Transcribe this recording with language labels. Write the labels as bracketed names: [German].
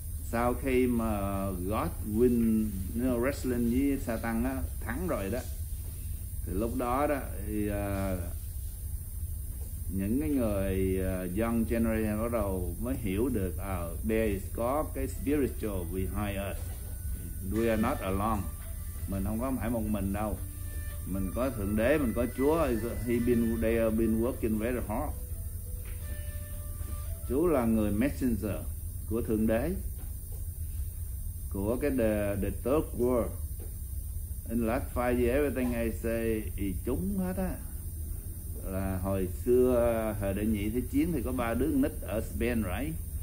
[Vietnamese] Sau khi mà [English] God win, you know, wrestling [Vietnamese] với Satan á, thắng rồi đó, thì lúc đó đó thì những cái người [English] young generation [Vietnamese] bắt đầu mới hiểu được [English] there is [Vietnamese] có cái [English] spiritual behind us, we are not alone, [Vietnamese] mình không có phải một mình đâu, mình có Thượng Đế, mình có Chúa. [English] He been there, been working very hard. [Vietnamese] Chúa là người messenger của Thượng Đế, của cái [English] the third world. In the last 5 years everything I say [Vietnamese] thì trúng hết á. Là hồi xưa thời đại nhị thế chiến thì có 3 đứa nít ở Spain, right?